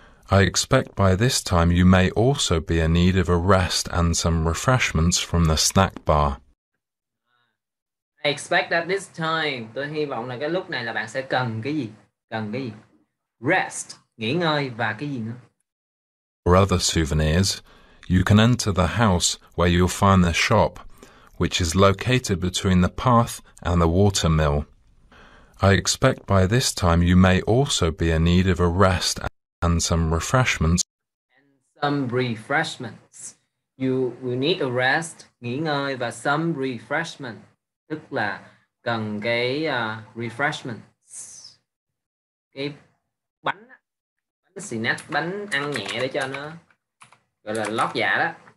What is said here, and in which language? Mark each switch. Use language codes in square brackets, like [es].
[en] I expect by this time you may also be in need of a rest and some refreshments from the snack bar. I expect that this time, [vi] tôi hy vọng là cái lúc này là bạn sẽ cần cái gì? Rest, nghỉ ngơi và cái gì nữa? [en] For other souvenirs, you can enter the house where you'll find the shop, which is located between the path and the water mill. I expect by this time you may also be in need of a rest and some refreshments. And some refreshments. You will need a rest, [vi] nghỉ ngơi và [en] some refreshment. [vi] Tức là cần cái refreshments. Cái bánh bánh snack bánh ăn nhẹ để cho nó gọi là lót dạ đó.